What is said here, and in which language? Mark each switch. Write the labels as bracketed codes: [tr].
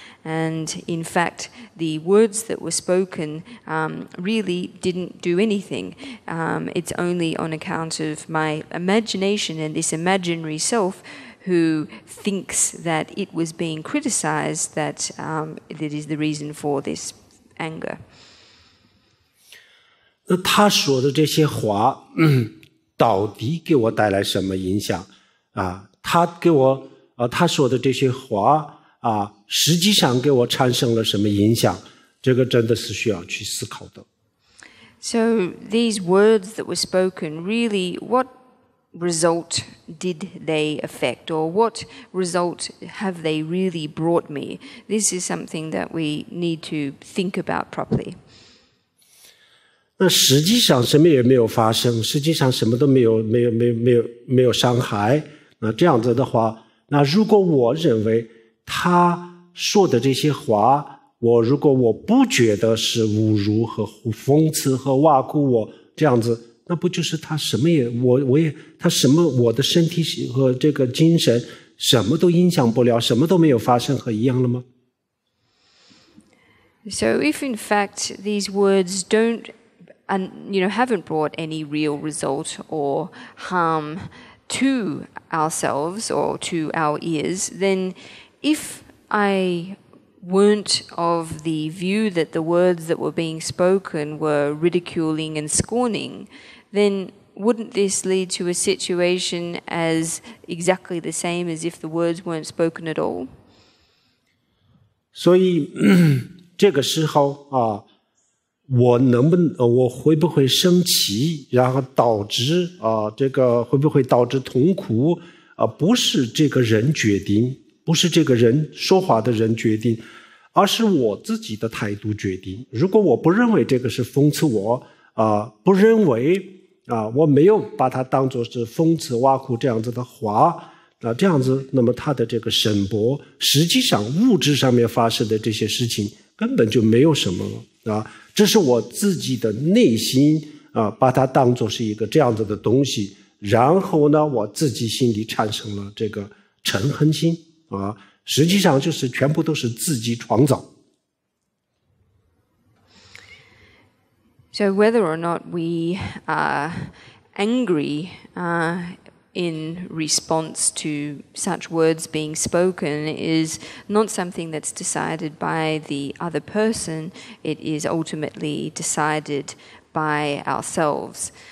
[en] And in fact, the words that were spoken really didn't do anything. It's only on account of my imagination and this imaginary self who thinks that it was being criticized that that is the reason for this anger. [zh] 那他说的这些话到底给我带来什么影响啊，他给我他说的这些话啊，实际上给我产生了什么影响，这个真的是需要去思考的。 [en] So these words that were spoken, really, what result did they affect, or what result have they really brought me? This is something that we need to think about properly. [zh] 那实际上什么也没有发生，实际上什么都没有伤害。那这样子的话，那如果我认为他说的这些话，我如果我不觉得是侮辱和讽刺和挖苦我这样子，那不就是他什么也我也他什么我的身体和这个精神什么都影响不了，什么都没有发生和一样了吗？ [en] So if in fact these words don't and you know, haven't brought any real result or harm to ourselves or to our ears, then if I weren't of the view that the words that were being spoken were ridiculing and scorning, then wouldn't this lead to a situation as exactly the same as if the words weren't spoken at all? So, at this time, [zh] 我能不能我会不会生气，然后导致这个会不会导致痛苦不是这个人决定，不是这个人说话的人决定，而是我自己的态度决定。如果我不认为这个是讽刺我不认为我没有把它当作是讽刺挖苦这样子的话这样子，那么他的这个神博实际上物质上面发生的这些事情根本就没有什么了。这是我自己的内心把它当作是一个这样子的东西，然后呢我自己心里产生了这个嗔恨心实际上就是全部都是自己创造。 [en] So whether or not we are angry in response to such words being spoken is not something that's decided by the other person. It is ultimately decided by ourselves.